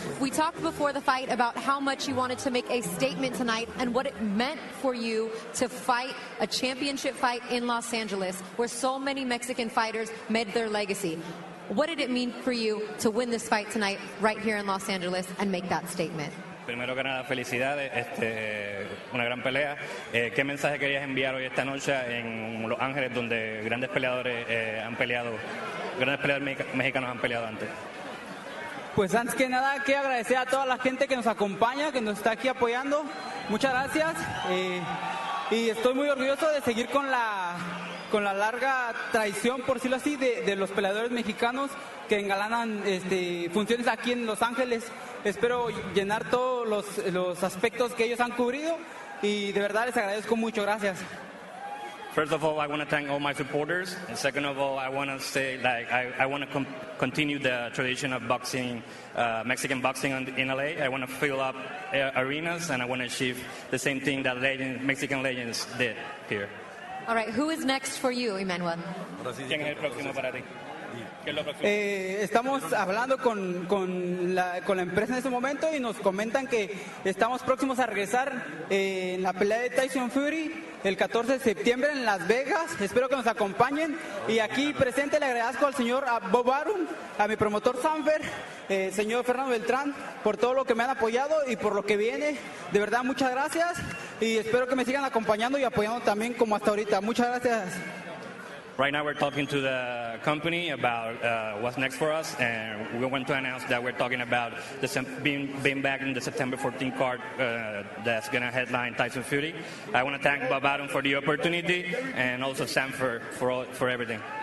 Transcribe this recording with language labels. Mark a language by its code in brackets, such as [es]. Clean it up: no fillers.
[en] We talked before the fight about how much you wanted to make a statement tonight and what it meant for you to fight a championship fight in Los Angeles, where so many Mexican fighters made their legacy. What did it mean for you to win this fight tonight right here in Los Angeles and make that statement? [es] Primero que nada, felicidades. Una gran pelea. ¿Qué mensaje querías enviar hoy esta noche en Los Ángeles, donde grandes peleadores han peleado? Grandes peleadores mexicanos han peleado antes. Pues antes que nada, quiero agradecer a toda la gente que nos acompaña, que nos está aquí apoyando. Muchas gracias. Y estoy muy orgulloso de seguir con la larga tradición, por decirlo así, de los peleadores mexicanos que engalanan funciones aquí en Los Ángeles. Espero llenar todos los aspectos que ellos han cubrido y de verdad les agradezco mucho. Gracias. [en] First of all, I want to thank all my supporters. And second of all, I want to say like I want to continue the tradition of boxing, Mexican boxing in LA. I want to fill up arenas and I want to achieve the same thing that Mexican legends did here. All right, who is next for you, Emmanuel? [es] ¿Quién es el próximo para ti? Estamos hablando con la empresa en ese momento y nos comentan que estamos próximos a regresar en la pelea de Tyson Fury el 14 de septiembre en Las Vegas. Espero que nos acompañen. Y aquí presente le agradezco al señor Bob Arum, a mi promotor Sanfer, señor Fernando Beltrán, por todo lo que me han apoyado y por lo que viene. De verdad, muchas gracias y espero que me sigan acompañando y apoyando también como hasta ahorita. Muchas gracias. [en] Right now we're talking to the company about what's next for us, and we want to announce that we're talking about the being back in the September 14th card that's going to headline Tyson Fury. I want to thank Bob Arum for the opportunity and also Sam for everything.